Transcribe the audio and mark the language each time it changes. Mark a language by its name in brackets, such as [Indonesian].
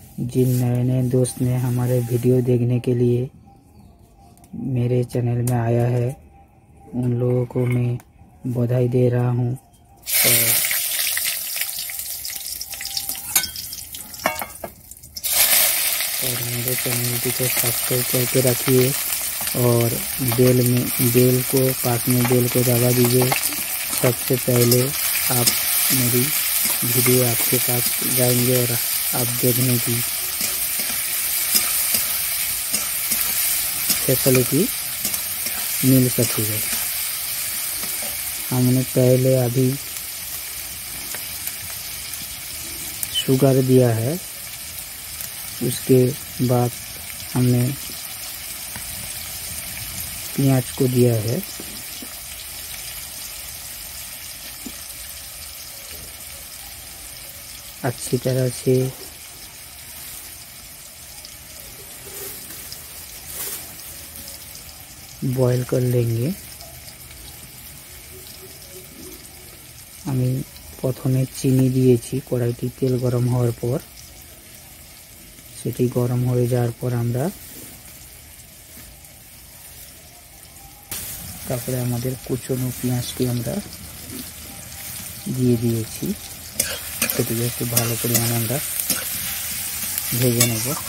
[Hindi] জিন নয় নয় দোস্ত নে হামারে ভিডিও দেখনে কে লিয়ে মেরে চ্যানেল মে আয়া হ্যাঁ, উন লোগোঁ কো মে বধাই দে রহা হুঁ। और मेरे चैनल को सब्सक्राइब करके रखिए, और बेल में बेल को पास में बेल को दबा दीजिए, सबसे पहले आप मेरी वीडियो आपके पास जाएंगे और आप देखने की फैसिलिटी मिल सकेगी। हमने पहले अभी शुगर दिया है, उसके बाद हमने प्याज को दिया है, अच्छी तरह से बॉईल कर लेंगे। [Bangla] আমি প্রথমে চিনি দিয়েছি কড়াইটি তেল গরম হওয়ার পর, সেটি গরম হয়ে যাওয়ার পর আমরা তারপরে আমাদের কুচনো পেঁয়াজটি আমরা দিয়ে দিয়েছি, সেটি একটু ভালো পরিমাণ আমরা ভেজে নেব।